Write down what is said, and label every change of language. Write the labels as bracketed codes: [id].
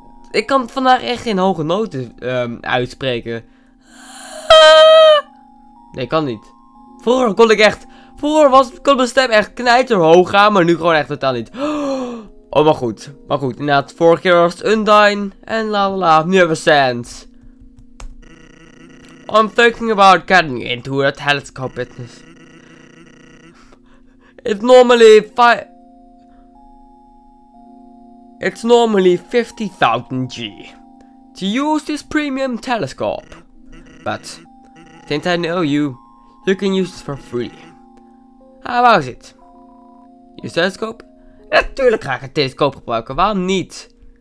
[nl] Ik kan vandaag echt geen hoge noten uitspreken. Nee, kan niet. Vroeger kon mijn stem echt knijterhoog gaan, maar nu gewoon echt totaal niet. Oh, maar goed, inderdaad, vorige keer was het Undyne, en la, nu hebben we Sands. [en] I'm thinking about getting into a telescope business. It's normally 50,000 G to use this premium telescope, but since I know you, you can use it for free. How about it? Your telescope? [nl] Natuurlijk ga ik een telescoop gebruiken, waarom niet?